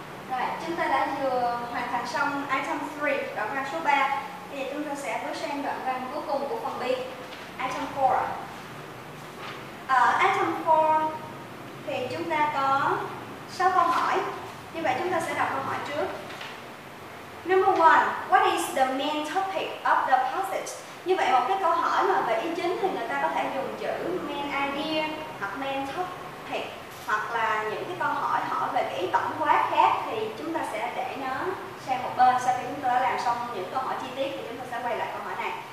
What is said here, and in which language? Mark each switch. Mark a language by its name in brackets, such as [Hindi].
[Vietnamese] Rồi, chúng ta đã vừa hoàn thành xong item 3, đoạn văn số 3. Thì chúng ta sẽ bước sang đoạn văn cuối cùng của phần B, item 4. Item 4 thì chúng ta có 6 câu hỏi. Như vậy chúng ta sẽ đọc câu hỏi trước. [English] Number 1, what is the main topic of the passage? [Vietnamese] Như vậy một cái câu hỏi mà về ý chính thì người ta có thể dùng chữ main idea hoặc main topic hoặc là những cái câu hỏi hỏi về cái ý tổng quát khác thì chúng ta sẽ để nó sang một bên. Sau khi chúng ta đã làm xong những câu hỏi chi tiết thì chúng ta sẽ quay lại câu hỏi này.